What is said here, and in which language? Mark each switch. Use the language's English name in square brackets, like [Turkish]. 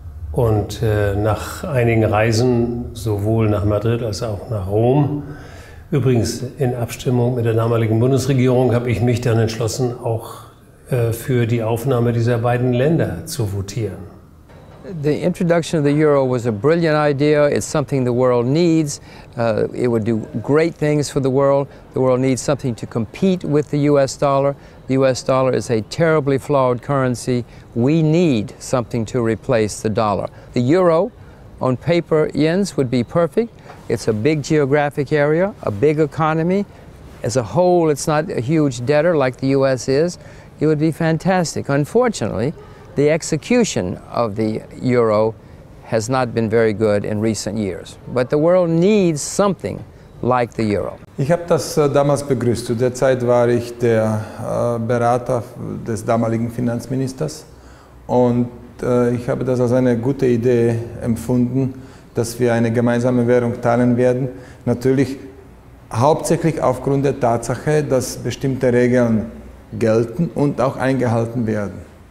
[German] Und nach einigen Reisen, sowohl nach Madrid als auch nach Rom, übrigens in Abstimmung mit der damaligen Bundesregierung, habe ich mich dann entschlossen, auch für die Aufnahme dieser beiden Länder zu votieren. [English] The introduction of the euro was a brilliant idea. It's something the world needs. It would do great things for the world. The world needs something to compete with the US dollar. The US dollar is a terribly flawed currency. We need something to replace the dollar. The euro on paper yens would be perfect. It's a big geographic area, a big economy. As a whole, it's not a huge debtor like the US is. It would be fantastic. Unfortunately, the execution of the euro has not been very good in recent years. But the world needs something like the euro. [German] Ich habe das damals begrüßt. Zu der Zeit war ich der Berater des damaligen Finanzministers. Und ich habe das als eine gute Idee empfunden, dass wir eine gemeinsame Währung teilen werden. Natürlich hauptsächlich aufgrund der Tatsache, dass bestimmte Regeln gelten und auch eingehalten werden.